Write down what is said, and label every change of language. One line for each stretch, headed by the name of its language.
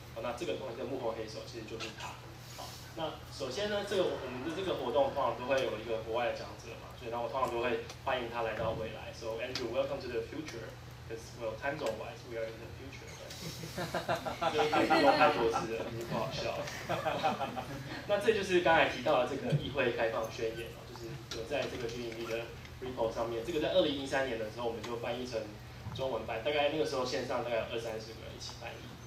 Chinese: 那这个东西的幕后黑手其实就是他。那首先呢，这个我们的这个活动通常都会有一个国外的讲者嘛，所以呢，我通常都会欢迎他来到未来。
English: So Andrew, welcome to the future, because well, time zone wise, we are in the future. 哈哈哈哈哈！
Chinese: 就是太龙太博士了，已经不好笑了。那这就是刚才提到的这个议会开放宣言，就是有在这个虚拟币的 repo 上面。这个在2013年的时候，我们就翻译成中文版，大概那个时候线上大概有20-30个人一起翻译。